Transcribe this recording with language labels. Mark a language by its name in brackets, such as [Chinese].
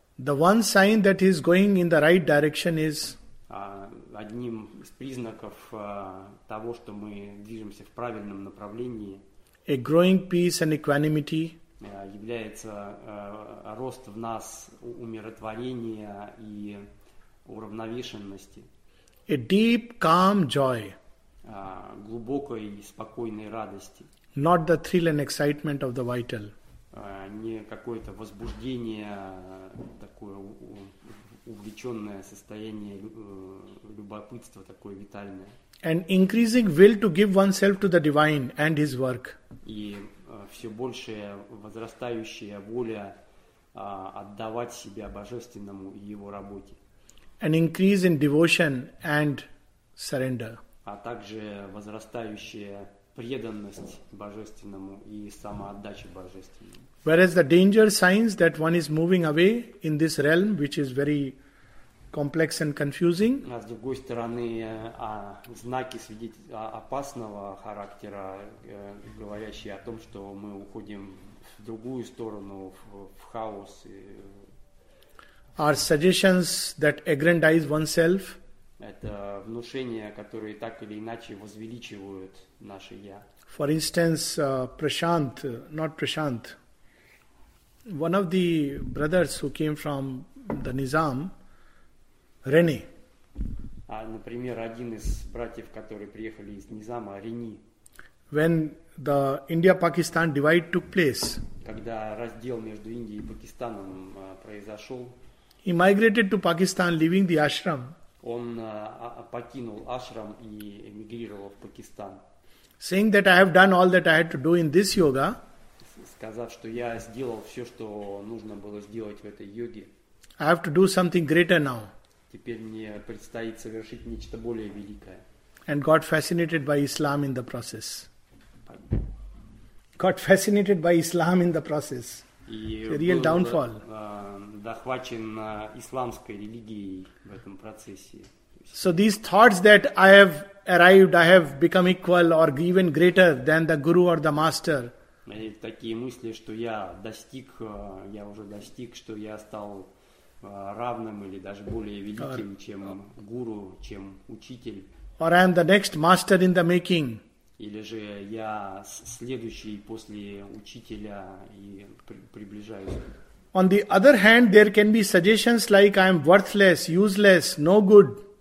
[English] The one sign that he is going in the right direction is [Russian] одним из признаков того, что мы движемся в правильном направлении. [English] A growing peace and equanimity. [Russian] Является рост в нас умиротворения и уравновешенности. [English] A deep, calm joy. [Russian] Глубокой и спокойной радости. [English] Not the thrill and excitement of the vital. [Russian] Не какое-то возбуждение, такое увлеченное состояние любопытства, такое витальное. [English] And increasing will to give oneself to the divine and his work. [Russian] И все большая возрастающая воля отдавать себя божественному и его работе. [English] An increase in devotion and surrender. [Russian] А также возрастающая преданность божественному и самоотдача божественному. [English] Whereas the danger signs that one is moving away in this realm, which is very complex and confusing. [Russian] А с другой стороны, знаки свидетель опасного характера, говорящие о том, что мы уходим в другую сторону, в хаос. [English] Are suggestions that aggrandize oneself. [Russian] Это внушения, которые так или иначе возвеличивают наше я. [English] For instance, Prashant, not Prashant, one of the brothers who came from the Nizam, Rene. [Russian] А, например, один из братьев, которые приехали из Низама, Рени. [English] When the India-Pakistan divide took place. [Russian] Когда раздел между Индией и Пакистаном произошел. [English] He migrated to Pakistan, leaving the ashram. [Russian] Он покинул ашрам и эмигрировал в Пакистан. [English] Saying that I have done all that I had to do in this yoga. [Russian] Сказав, что я сделал все, что нужно было сделать в этой йоге. [English] I have to do something greater now. [Russian] Теперь мне предстоит совершить нечто более великое. [English] And got fascinated by Islam in the process. Got fascinated by Islam in the process. The real downfall. [Russian] Захвачен исламской религией в этом процессе. [English] So these thoughts that I have arrived, I have become equal or even greater than the guru or the master. [Russian] Такие мысли, что я достиг, я уже достиг, что я стал равным или даже более великим, чем гуру, чем учитель. [English] Or I am the next master in the making. [Russian] Или же я следующий после учителя и приближаюсь. [English] On the other hand, there can be suggestions like I am worthless, useless, no good.